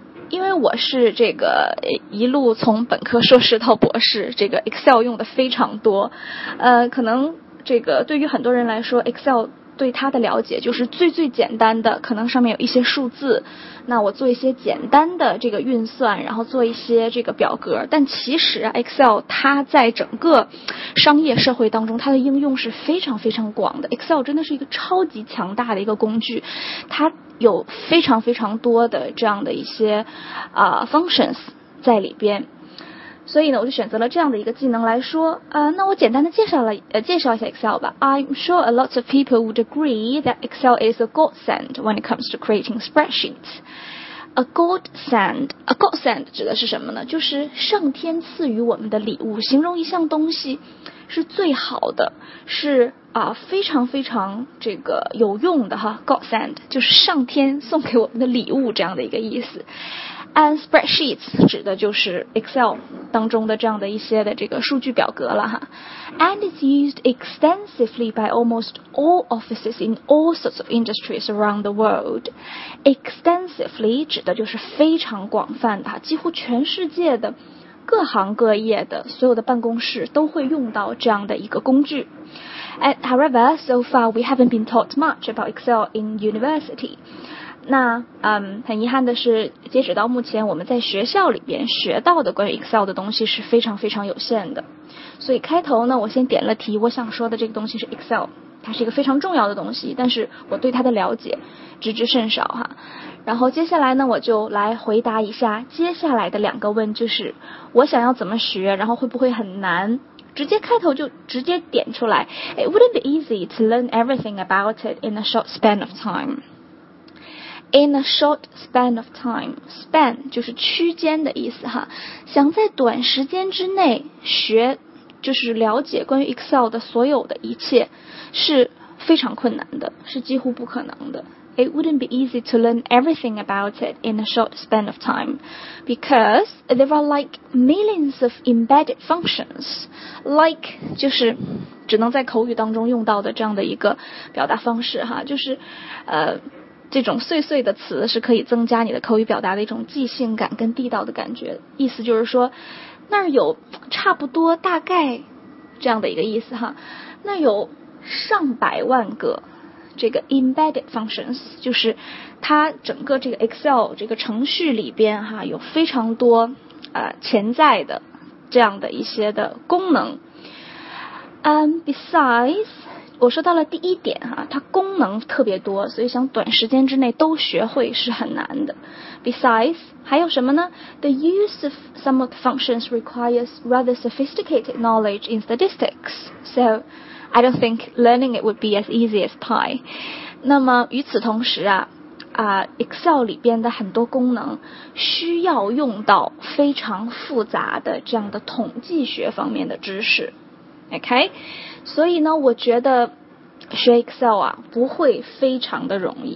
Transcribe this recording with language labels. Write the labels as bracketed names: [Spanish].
[Chinese] 因为我是这个一路从本科硕士到博士，这个 Excel 用的非常多，可能这个对于很多人来说 Excel 对它的了解就是最最简单的，可能上面有一些数字，那我做一些简单的这个运算，然后做一些这个表格，但其实 Excel 它在整个商业社会当中它的应用是非常非常广的。 Excel 真的是一个超级强大的一个工具，它有非常非常多的这样的一些functions 在里边。所以呢我就选择了这样的一个技能来说。那我简单的介绍一下 Excel 吧。 [English] I'm sure a lot of people would agree that Excel is a godsend when it comes to creating spreadsheets. A godsend [Chinese] 指的是什么呢？就是上天赐予我们的礼物，形容一项东西是最好的，是非常非常这个有用的哈。 Godsend 就是上天送给我们的礼物这样的一个意思。 [English] And spreadsheets [Chinese] 指的就是 Excel 当中的这样的一些的这个数据表格了哈。 [English] And it's used extensively by almost all offices in all sorts of industries around the world. [Chinese] Extensively 指的就是非常广泛的哈，几乎全世界的各行各业的所有的办公室都会用到这样的一个工具。 [English] And however, so far we haven't been taught much about Excel in university. [Chinese] 那很遗憾的是，截止到目前，我们在学校里边学到的关于 Excel 的东西是非常非常有限的。所以开头呢，我先点了题，我想说的这个东西是 Excel， 它是一个非常重要的东西，但是我对它的了解知之甚少哈。然后接下来呢，我就来回答一下接下来的两个问，就是我想要怎么学，然后会不会很难？直接开头就直接点出来。 [English] It wouldn't be easy to learn everything about it in a short span of time. In a short span of time, span [Chinese] 就是区间的意思哈。想在短时间之内学，就是了解关于 Excel 的所有的一切，是非常困难的，是几乎不可能的。 [English] It wouldn't be easy to learn everything about it in a short span of time, because there are like millions of embedded functions. [Chinese] Like 就是只能在口语当中用到的这样的一个表达方式哈，就是这种碎碎的词是可以增加你的口语表达的一种即兴感跟地道的感觉。意思就是说，那儿有差不多大概这样的一个意思哈，那有上百万个。这个 embedded functions 就是它整个这个 Excel 这个程序里边哈有非常多潜在的这样的一些的功能。 Besides， 我说到了第一点哈，它功能特别多，所以想短时间之内都学会是很难的。 [English] Besides， [Chinese] 还有什么呢 [English] ？The use of some of the functions requires rather sophisticated knowledge in statistics. So。 I don't think learning it would be as easy as pie. [Chinese] 那么与此同时啊，Excel 里边的很多功能需要用到非常复杂的这样的统计学方面的知识。 OK? 所以呢，我觉得学 Excel 啊不会非常的容易。